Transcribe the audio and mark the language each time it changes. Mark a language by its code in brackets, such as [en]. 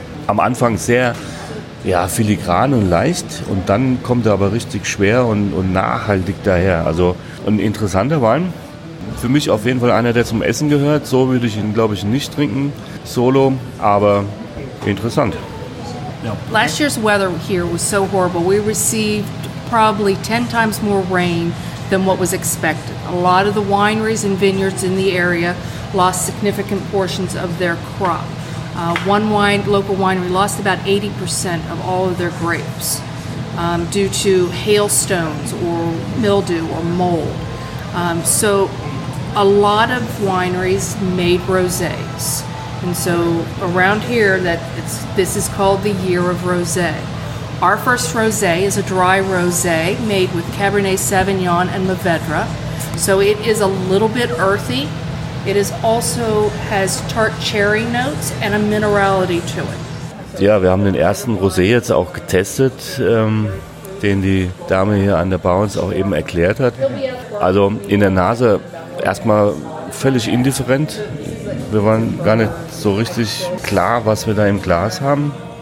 [de] Am Anfang sehr ja, filigran und leicht und dann kommt er aber richtig schwer und nachhaltig daher. Also ein interessanter Wein, für mich auf jeden Fall einer, der zum Essen gehört. So würde ich ihn, glaube ich, nicht trinken, solo, aber interessant. [en] Last year's weather here was so horrible. We received probably 10 times more rain than what was expected. A lot of the wineries and vineyards in the area lost significant portions of their crop. One local winery lost about 80% of all of their grapes due to hailstones or mildew or mold. So a lot of wineries made rosés. And so around here, this is called the year of rosé. Our first rosé is a dry rosé made with Cabernet Sauvignon and Mourvèdre. So it is a little bit earthy. It is also has tart cherry notes and a minerality to it. [de] Ja, wir haben den ersten Rosé jetzt auch getestet, den die Dame hier an der Bar uns auch eben erklärt hat. Also in der Nase erstmal völlig indifferent. Wir waren gar nicht so richtig klar, was wir da im Glas haben.